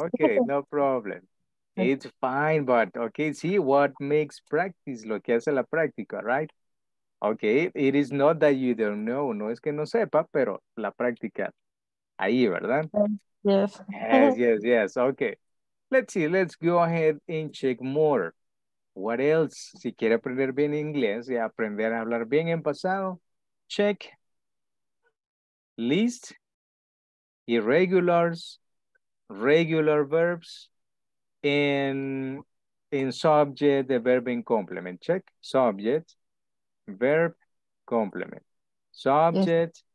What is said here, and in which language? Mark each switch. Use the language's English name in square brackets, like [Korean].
[English] Okay, no problem. It's fine, but okay, see what makes practice, [Spanish] lo que hace la práctica, [English] right? [Spanish] Okay, [English] it is not that you don't know, [Spanish] no es que no sepa, pero la práctica, ahí, ¿verdad? [English] Yes. Yes, yes, yes, okay. Let's see, let's go ahead and check more. What else? [Spanish] Si quiere aprender bien inglés y aprender a hablar bien en pasado, check. [English] List, irregulars, regular verbs, in subject, the verb in complement. Check, subject, verb, complement. Subject, yes.